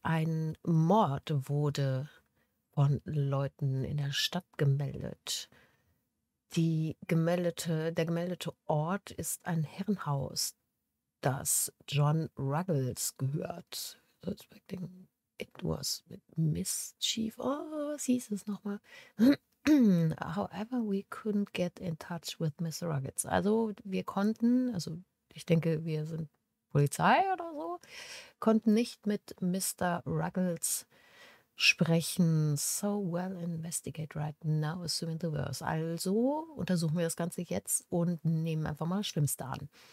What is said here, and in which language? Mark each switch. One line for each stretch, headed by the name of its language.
German: Ein Mord wurde von Leuten in der Stadt gemeldet. Der gemeldete Ort ist ein Herrenhaus, das John Ruggles gehört.
English: Suspecting it was mischief.
German: Oh, was hieß es nochmal?
English: However, we couldn't get in touch with Mr. Ruggles.
German: Also, wir konnten, also ich denke, wir sind Polizei oder so, konnten nicht mit Mr. Ruggles sprechen.
English: So well investigate right now, assuming the worst.
German: Also, untersuchen wir das Ganze jetzt und nehmen einfach mal das Schlimmste an.